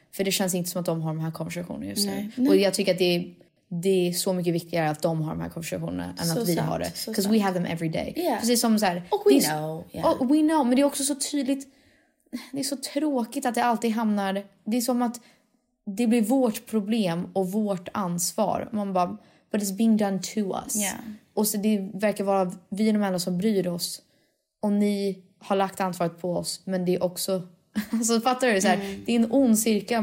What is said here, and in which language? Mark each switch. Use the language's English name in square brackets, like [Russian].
[Swedish] För det känns inte som att de har de här konversationerna just nu. Nej. Och jag tycker att det är så mycket viktigare att de har de här konversationerna än så att vi sant, har det. [English] Because we have them every day. Yeah. [Swedish] Precis som så här, [English] och we know. Yeah. [Swedish] Och [English] we know, [Swedish] men det är också så tydligt. Det är så tråkigt att det alltid hamnar... Det är som att... Det blir vårt problem och vårt ansvar. Man bara, [English] but it's being done to us. Yeah. [Swedish] Och så det verkar vara vi är de enda som bryr oss. Och ni har lagt ansvaret på oss. Men det är också... Alltså, fattar du? Så här, det är en ond cirkel.